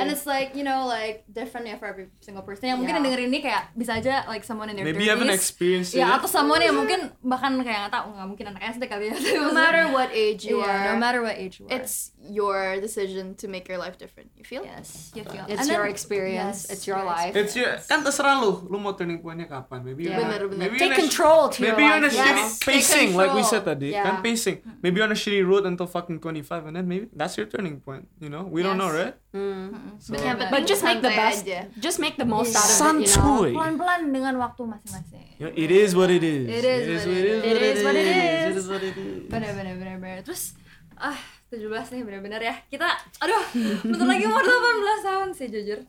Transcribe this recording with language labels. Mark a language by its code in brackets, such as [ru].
[en] And it's like, you know, like different for every single person. [id] Yang mungkin dengerin ini kayak bisa aja [en] like someone in their 30s. Maybe you have an experience. [id] Yeah, atau [en] someone [id] yang mungkin bahkan kayak enggak tahu, enggak mungkin anak SD kali ya. [en] No matter what age you are. It's your decision to make your life different. You feel? Yes. It's your experience. It's your life. It's your [id] kan terserah lu mau [en] turning point- [id] nya kapan. [en] Maybe you take control to maybe you're on a shitty pacing like we said [id] tadi. Kan [en] pacing. Maybe on a shitty road until fucking 25 and then maybe that's your turning point, you know? We don't know, right? Mm-hmm. So, yeah, but just make the best. Idea. Just make the most out of it, you know. [id] Pelan-pelan dengan waktu masing-masing. [en] Yo, it is what it is. It is what it is. [id] Benar-benar. Terus, 17 nih benar-benar ya. Kita, aduh, bentar lagi umur 18 tahun sih jujur.